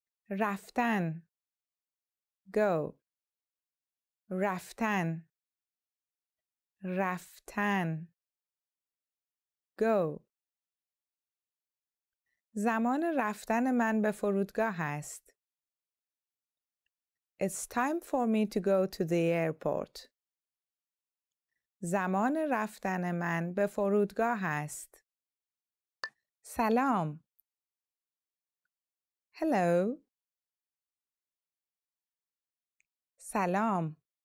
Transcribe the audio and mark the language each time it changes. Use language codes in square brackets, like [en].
[fa] رفتن. Go. رفتن. رفتن. Go. زمان رفتن من به فرودگاه است. [en] It's time for me to go to the airport. [fa] زمان رفتن من به فرودگاه است. سلام. [en] Hello. [fa] سلام.